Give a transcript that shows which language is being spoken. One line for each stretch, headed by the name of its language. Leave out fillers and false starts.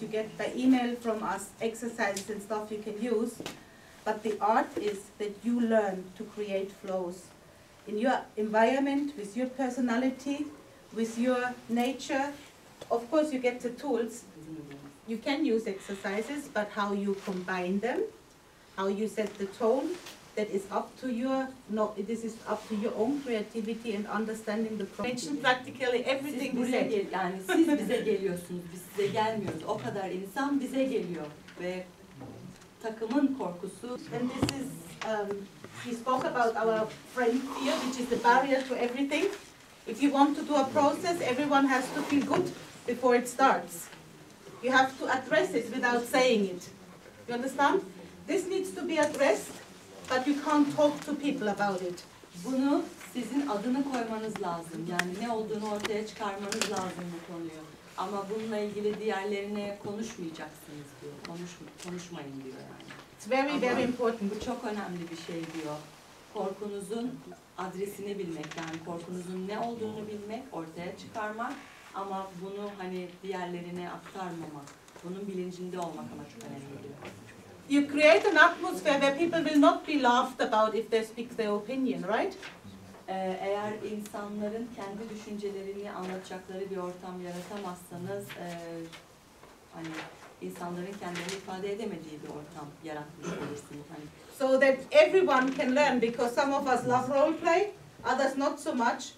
English: You get by email from us exercises and stuff you can use, but the art is that you learn to create flows in your environment with your personality, with your nature. Of course, you get the tools. You can use exercises, but how you combine them, how you set the tone, that is up to your. No, this is up to your own creativity and understanding the problem. Mentioned practically everything.
Turkish: Siz bize gel, yani siz bize geliyorsunuz, biz size gelmiyoruz. O kadar insan bize geliyor ve takımın korkusu.
English: And this is we spoke about our friend fear, which is the barrier to everything. If you want to do a process, everyone has to feel good before it starts. You have to address it without saying it. You understand? This needs to be addressed, but you can't talk to people about it.
Turkish: Bunu sizin adını koymanız lazım. Yani ne olduğunu ortaya çıkarmanız lazım bu konuyu. Ama bununla ilgili diğerlerine konuşmayacaksınız diyor. Konuşmayın diyor yani.
English: It's very, very important.
Turkish: Bu çok önemli bir şey diyor. Korkunuzun adresini bilmek, yani korkunuzun ne olduğunu bilmek, ortaya çıkarmak ama bunu hani diğerlerine aktarmamak, bunun bilincinde olmak ama çok önemli.
English: You create an atmosphere where people will not be laughed about if they speak their opinion, right?
Turkish: Eğer insanların kendi düşüncelerini anlatacakları bir ortam yaratamazsanız, hani insanların kendini ifade edemediği bir ortam yaratmış olursunuz. Hani.
English: So that everyone can learn, because some of us love role play, others not so much.